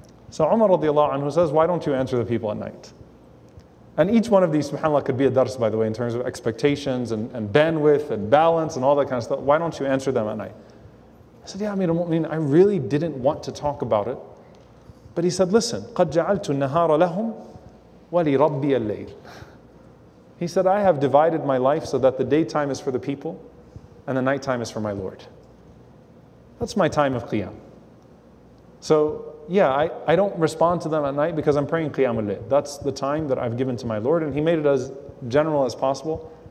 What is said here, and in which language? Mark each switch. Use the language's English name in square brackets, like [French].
[English] So Umar radiallahu anhu says, why don't you answer the people at night? And each one of these, subhanAllah, could be a dars, by the way, in terms of expectations and bandwidth and balance and all that kind of stuff. Why don't you answer them at night? I said, yeah, Amir al-Mu'mineen, I really didn't want to talk about it. But he said, listen, [Arabic] قَدْ جَعَلْتُ النَّهَارَ لَهُمْ وَلِرَبِّيَ اللَّيْلِ. [English] He said, I have divided my life so that the daytime is for the people and the nighttime is for my Lord. That's my time of Qiyam. So, yeah, I don't respond to them at night because I'm praying Qiyam al-Layl. That's the time that I've given to my Lord. And he made it as general as possible.